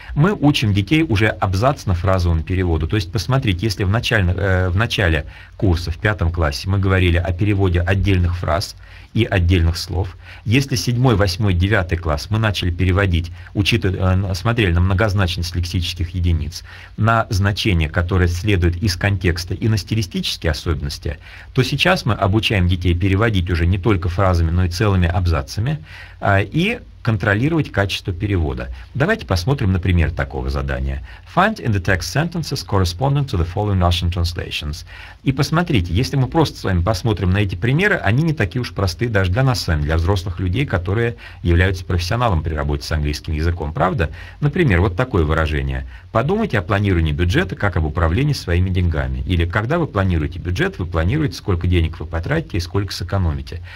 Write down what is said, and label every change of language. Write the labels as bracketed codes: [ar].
[ru] Мы учим детей уже абзацно-фразовым переводу. То есть, посмотрите, если в начале курса, в 5 классе, мы говорили о переводе отдельных фраз и отдельных слов, если 7, 8, 9 класс мы начали переводить, смотрели на многозначность лексических единиц, на значение, которое следует из контекста и на стилистические особенности, то сейчас мы обучаем детей переводить уже не только фразами, но и целыми абзацами, и контролировать качество перевода. Давайте посмотрим, например, такого задания. [en] Find in the text sentences corresponding to the following Russian translations. [ru] И посмотрите, если мы просто с вами посмотрим на эти примеры, они не такие уж простые даже для нас с вами, для взрослых людей, которые являются профессионалом при работе с английским языком, правда? Например, вот такое выражение. Подумайте о планировании бюджета как об управлении своими деньгами. Или когда вы планируете бюджет, вы планируете, сколько денег вы потратите и сколько сэкономите.